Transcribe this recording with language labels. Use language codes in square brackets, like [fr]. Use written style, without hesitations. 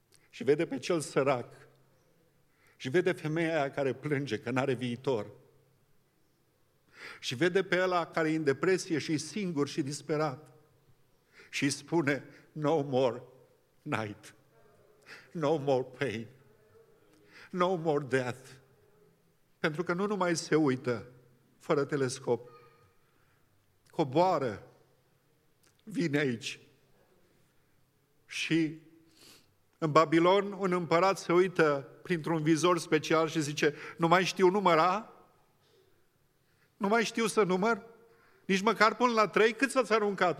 [ro] Și vede pe cel sărac. Și vede femeia aia care plânge că n-are viitor. Și vede pe ăla care e în depresie și e singur și disperat. Și spune, [en] no more night. no more pain, no more death. [ro] Pentru că nu numai se uită fără telescop, coboară, vine aici. Și în Babilon un împărat se uită printr-un vizor special și zice, nu mai știu număra, nu mai știu să număr, nici măcar până la trei, cât s-ați aruncat?